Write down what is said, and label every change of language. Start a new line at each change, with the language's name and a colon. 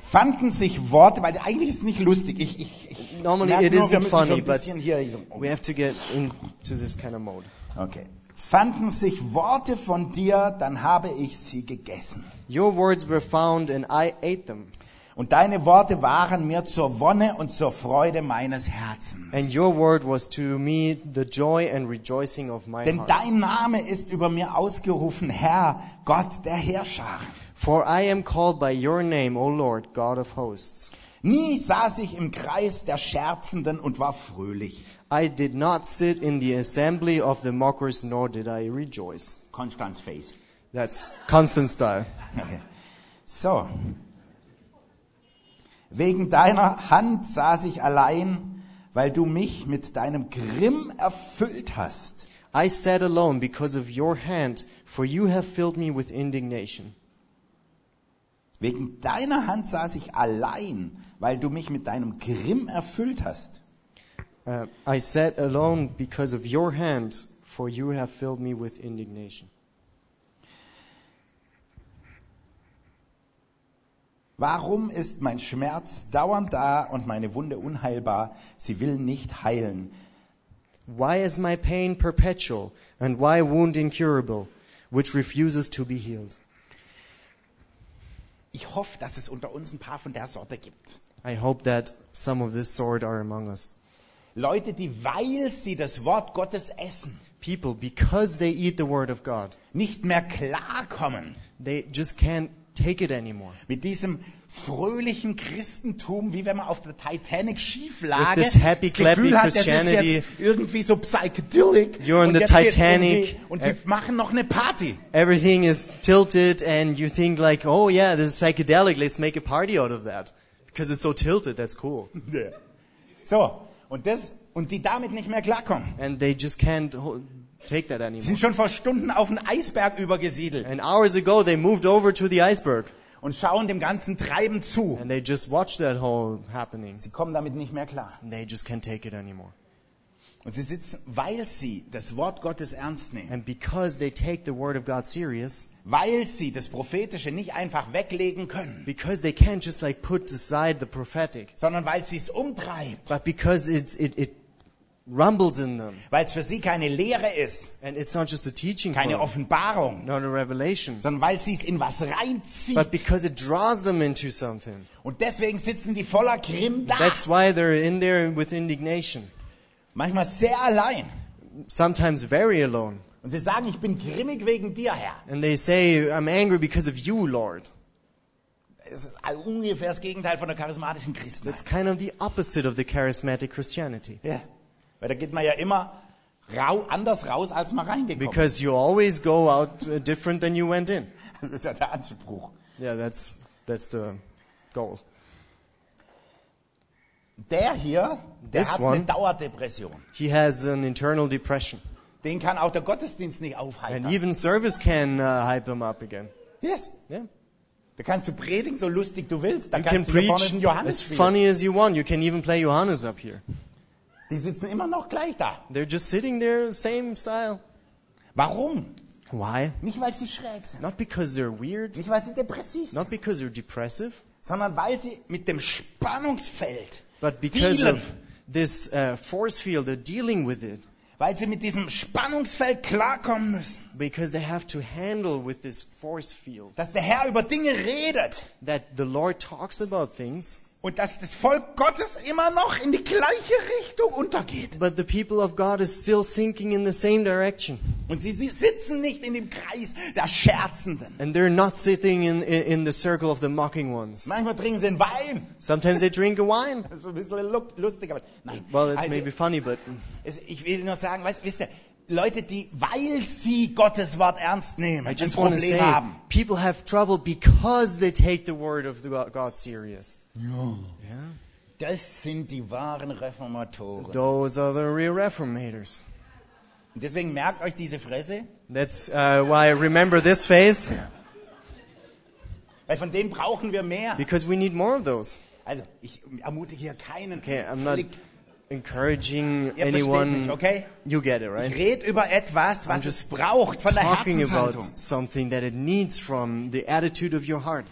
German: Fanden sich Worte, weil eigentlich ist es nicht lustig. Ich
English: normally it isn't
German: nur,
English: funny, but
German: hier,
English: so, okay. We have to get into this kind of mode. Okay.
German: Fanden sich Worte von dir, dann habe ich sie gegessen.
English: Your words were found and I ate them.
German: Und deine Worte waren mir zur Wonne und zur Freude meines Herzens.
English: And your word was to me the joy and rejoicing of my heart.
German: Denn dein Name ist über mir ausgerufen, Herr, Gott der Herrscher.
English: For I am called by your name, O Lord, God of hosts.
German: Nie saß ich im Kreis der Scherzenden und war fröhlich.
English: I did not sit in the assembly of the mockers, nor did I rejoice. Constance face. That's Constance style. Okay. So.
German: Wegen deiner Hand saß ich allein, weil du mich mit deinem Grimm erfüllt hast.
English: I sat alone because of your hand, for you have filled me with indignation.
German: Wegen deiner Hand saß ich allein, weil du mich mit deinem Grimm erfüllt hast.
English: I sat alone because of your hand, for you have filled me with indignation.
German: Warum ist mein Schmerz dauernd da und meine Wunde unheilbar? Sie will nicht heilen.
English: Why is my pain perpetual and why wound incurable, which refuses to be healed?
German: Ich hoffe, dass es unter uns ein paar von der Sorte gibt.
English: I hope that some of this sort are among us.
German: Leute, die, weil sie das Wort Gottes essen,
English: people, because they eat the word of God,
German: nicht mehr klarkommen,
English: they just can't take it anymore.
German: Mit diesem fröhlichen Christentum, wie wenn man auf der Titanic schieflage,
English: with this happy, clappy Christianity,
German: irgendwie so psychedelic,
English: you're in the Titanic,
German: und sie machen noch eine Party.
English: Everything is tilted and you think like, oh yeah, this is psychedelic, let's make a party out of that. Because it's so tilted, that's cool. Yeah.
German: So, und das, und die damit nicht mehr klarkommen.
English: And they just can't take that anymore.
German: Sie sind schon vor Stunden auf einen Eisberg übergesiedelt.
English: And hours ago they moved over to the iceberg.
German: Und schauen dem ganzen Treiben zu.
English: And they just watch that whole happening.
German: Sie kommen damit nicht mehr klar.
English: And they just can't take it anymore.
German: Und sie sitzen, weil sie das Wort Gottes ernst nehmen.
English: And because they take the word of God serious.
German: Weil sie das Prophetische nicht einfach weglegen können.
English: Because they can't just like put aside the prophetic.
German: Sondern weil sie es umtreibt.
English: But because it rumbles in them.
German: Weil es für sie keine Lehre ist.
English: And it's not just a teaching.
German: Keine
English: word,
German: Offenbarung.
English: Not a revelation.
German: Sondern weil sie es in was reinzieht.
English: But because it draws them into something.
German: Und deswegen sitzen die voller Grimm da.
English: That's why they're in there with indignation.
German: Manchmal sehr allein.
English: Sometimes very alone.
German: Und sie sagen, ich bin grimmig wegen dir, Herr.
English: And they say, I'm angry because of you, Lord.
German: Das ist ungefähr das Gegenteil von der charismatischen Christenheit.
English: That's kind of the opposite of the charismatic Christianity.
German: Ja,
English: yeah.
German: Weil da geht man ja immer anders raus, als man reingekommen.
English: Because you always go out different than you went in.
German: Das ist ja der Anspruch.
English: Yeah, that's the goal.
German: Der hier, der hat eine Dauerdepression.
English: He has an internal depression.
German: Den kann auch der Gottesdienst nicht aufhalten.
English: And even service can hype him up again. Yes. Yeah.
German: Da kannst du predigen so lustig du willst. Da
English: you
German: kannst
English: can preach
German: du vorne Johannes
English: as funny as you want. You can even play Johannes up here.
German: Die sitzen immer noch gleich da.
English: They're just sitting there, same style.
German: Warum?
English: Why?
German: Nicht weil sie schräg sind.
English: Not because they're weird.
German: Nicht weil sie depressiv sind.
English: Not because they're depressive.
German: Sondern weil sie mit dem Spannungsfeld.
English: But because dealen. Of this force field, they're dealing with it.
German: Weil sie mit diesem Spannungsfeld klarkommen müssen.
English: Because they have to handle with this force field.
German: Dass der Herr über Dinge redet.
English: That the Lord talks about things.
German: Und dass das Volk Gottes immer noch in die gleiche Richtung untergeht.
English: But the people of God is still sinking in the same direction.
German: Und sie sitzen nicht in dem Kreis der Scherzenden.
English: And they're not sitting in the circle of the mocking ones.
German: Manchmal trinken sie einen Wein.
English: Sometimes they drink a wine.
German: Das ist ein bisschen lustig, aber nein.
English: Well, it's also, maybe funny, but
German: ich will nur sagen, wisst ihr, Leute, die, weil sie Gottes Wort ernst nehmen, ein Problem
English: say,
German: haben.
English: People have trouble because they take the word of God serious.
German: Ja.
English: Yeah.
German: Das sind die wahren Reformatoren.
English: Those are the real reformators.
German: Und deswegen merkt euch diese Fresse.
English: That's why I remember this face.
German: Weil von denen brauchen wir mehr.
English: Because we need more of those.
German: Also, ich ermutige hier keinen.
English: Okay, I'm not encouraging anyone.
German: Mich, okay?
English: You get it, right?
German: Ich rede über etwas, was es braucht von der Herzenshaltung.
English: Talking about something that it needs from the attitude of your heart.